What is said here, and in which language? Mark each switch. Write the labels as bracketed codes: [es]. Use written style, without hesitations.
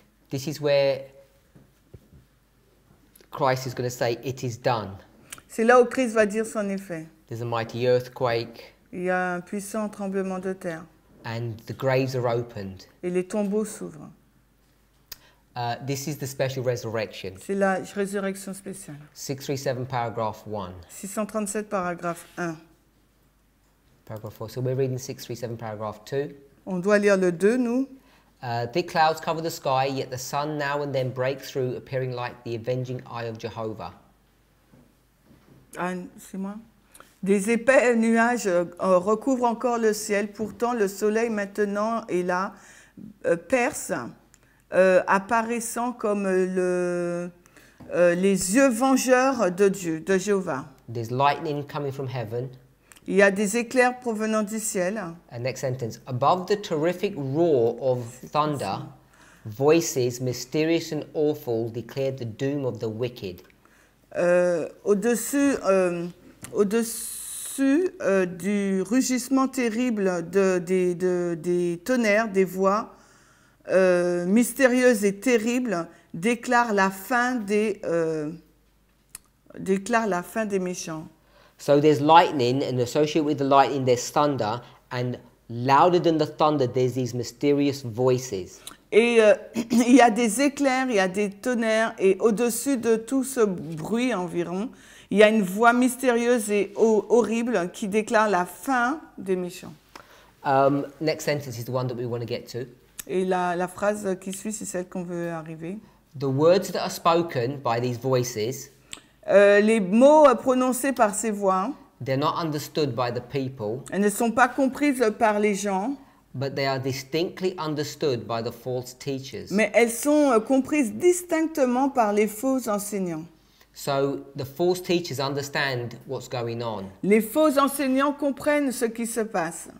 [en] This is where Christ is going to say, "It is done." [fr] C'est là où Christ va dire son effet. [en] There's a mighty earthquake. [fr] Il y a un puissant tremblement de terre. [en] And the graves are opened. [fr] Et les tombeaux s'ouvrent. [en] This is the special resurrection. [fr] C'est la résurrection spéciale. [en] 637 paragraph 1. [fr] 637 paragraphe 1. [en] Paragraph 4. So we're reading 637 paragraph 2. [fr] On doit lire le 2, nous. [en] Thick clouds cover the sky, yet the sun now and then breaks through, appearing like the avenging eye of Jehovah. [fr] Ah, c'est moi. Des épais nuages recouvrent encore le ciel, pourtant le soleil maintenant est là, perce apparaissant comme le les yeux vengeurs de Dieu, de Jéhovah. [en] There's lightning coming from heaven. [fr] Il y a des éclairs provenant du ciel. [en] And next sentence, above the terrific roar of thunder, voices mysterious and awful declared the doom of the wicked. [fr] Au-dessus du rugissement terrible des tonnerres, des voix mystérieuses et terribles déclarent la fin des méchants. [en] So there's lightning, and associated with the lightning, there's thunder, and louder than the thunder, there's these mysterious voices. [fr] Et il y a des éclairs, il y a des tonnerres, et au-dessus de tout ce bruit environ, il y a une voix mystérieuse et horrible qui déclare la fin des méchants. [en] Next sentence is the one that we want to get to. [fr] Et la phrase qui suit, c'est celle qu'on veut arriver. [en] The words that are spoken by these voices. [fr] Les mots prononcés par ces voix. [en] They're not understood by the people. [fr] Elles ne sont pas comprises par les gens. [en] But they are distinctly understood by the false teachers. [fr] Mais elles sont comprises distinctement par les faux enseignants. [en] So the false teachers understand what's going on. [fr] Les faux enseignants comprennent ce qui se passe.